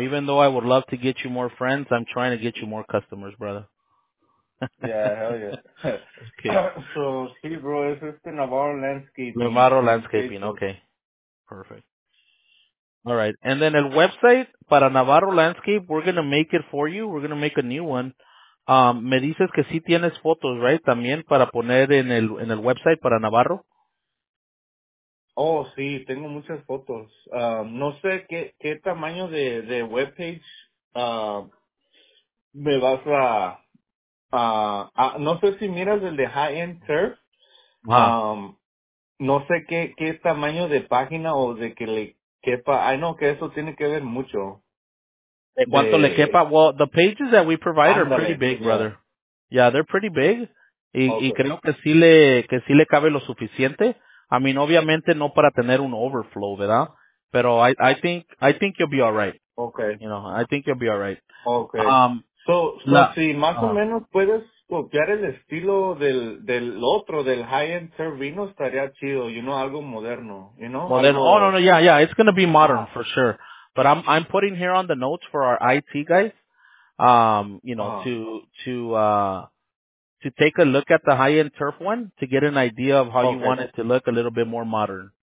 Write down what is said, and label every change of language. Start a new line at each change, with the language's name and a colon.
English: Even though I would love to get you more friends, I'm trying to get you more customers, brother. Yeah, hell yeah.
Spanish: So, sí, bro, es este Navarro Landscaping.
English: Navarro Landscaping, okay. Perfect. All right. And then el website para Navarro Landscape, we're going to make it for you. We're going to make a new one.
Spanish: Me dices que sí tienes fotos,
English: right?
Spanish: También para poner en el website para Navarro. Oh, sí, tengo muchas fotos. No sé qué tamaño de webpage me vas a... no sé si miras el de High End Turf. Wow. No sé qué tamaño de página o de que le quepa.
English: I know
Spanish: que eso tiene que ver mucho. ¿En cuánto le quepa?
English: Well, the pages that we provide are pretty big, brother. Yeah, they're pretty big.
Spanish: Y creo que sí le cabe lo suficiente.
English: I mean,
Spanish: obviamente no para tener un overflow, ¿verdad? Pero
English: I think you'll be all right. Okay. You know, I think you'll be all right. Okay.
Spanish: Si más o menos puedes copiar el estilo del otro, del high-end Servino, estaría chido, you know, algo moderno, you know? Moderno.
English: Oh, no, yeah, it's going to be modern for sure. But I'm putting here on the notes for our IT guys, you know, to take a look at the high-end turf one to get an idea of how you want it to look a little bit more modern.